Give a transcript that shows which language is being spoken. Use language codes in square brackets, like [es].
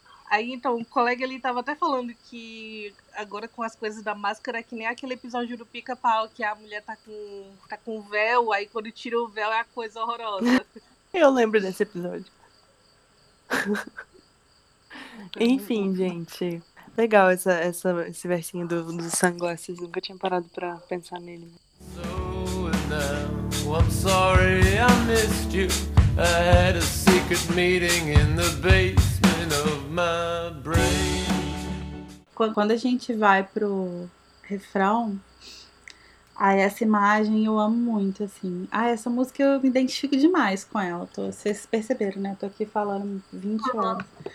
[pt] Aí, então, o colega ali tava até falando que agora com as coisas da máscara é que nem aquele episódio do Pica-Pau, que a mulher tá com véu, aí quando tira o véu é a coisa horrorosa. Eu lembro desse episódio. Enfim, gente. Legal esse versinho do sunglasses. Nunca tinha parado pra pensar nele. [en] So now, I'm sorry I missed you. I had a secret meeting in the basement of my brain. [pt] Quando a gente vai pro refrão, aí essa imagem eu amo muito, assim. Ah, essa música eu me identifico demais com ela. Vocês perceberam, né? Tô aqui falando 20 horas.